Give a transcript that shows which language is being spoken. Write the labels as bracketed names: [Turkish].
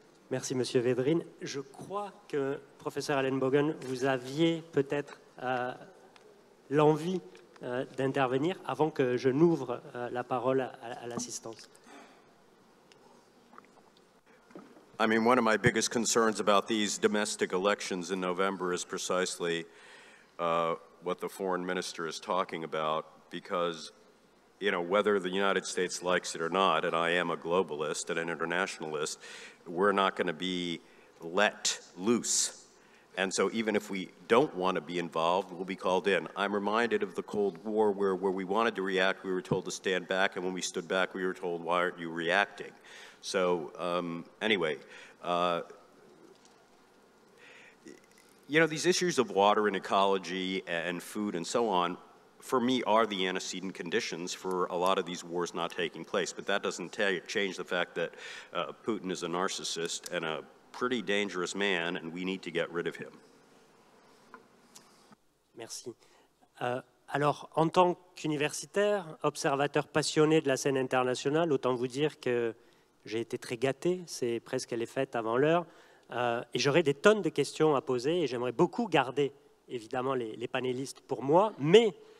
[French] Merci, M. Védrine. Je crois que, professeur Allen Bogen, vous aviez peut-être l'envie d'intervenir avant que je n'ouvre la parole à l'assistance. [English] I mean, one of my biggest concerns about these domestic elections in November is precisely what the foreign minister is talking about, because you know, whether the United States likes it or not, and I am a globalist and an internationalist, we're not going to be let loose. And so even if we don't want to be involved, we'll be called in. I'm reminded of the Cold War where we wanted to react, we were told to stand back, and when we stood back, we were told, why aren't you reacting? So anyway, you know, these issues of water and ecology and food and so on, for me, are the antecedent conditions for a lot of these wars not taking place. But that doesn't change the fact that Putin is a narcissist and a pretty dangerous man, and we need to get rid of him. [French] Merci. Alors, en tant qu'universitaire, observateur passionné de la scène internationale, autant vous dire que j'ai été très gâté, c'est presque les fêtes avant l'heure, et j'aurai des tonnes de questions à poser, et j'aimerais beaucoup garder, évidemment, les panélistes pour moi, mais